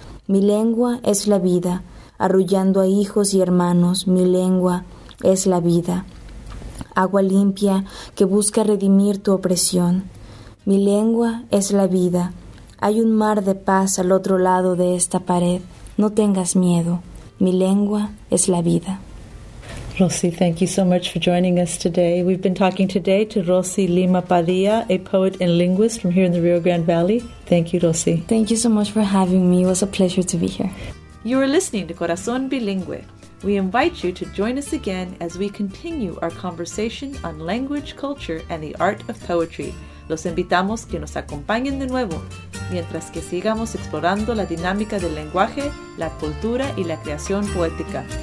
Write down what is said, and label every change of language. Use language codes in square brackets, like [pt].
[es] Mi lengua es la vida, arrullando a hijos y hermanos. Mi lengua es la vida. Agua limpia que busca redimir tu opresión. Mi lengua es la vida. Hay un mar de paz al otro lado de esta pared. No tengas miedo. Mi lengua es la vida. [en] Rosy, thank you so much for joining us today. We've been talking today to Rosy Lima Padilla, a poet and linguist from here in the Rio Grande Valley. Thank you, Rosy. Thank you so much for having me. It was a pleasure to be here. You are listening to Corazón Bilingüe. We invite you to join us again as we continue our conversation on language, culture, and the art of poetry. [es] Los invitamos que nos acompañen de nuevo, mientras que sigamos explorando la dinámica del lenguaje, la cultura y la creación poética.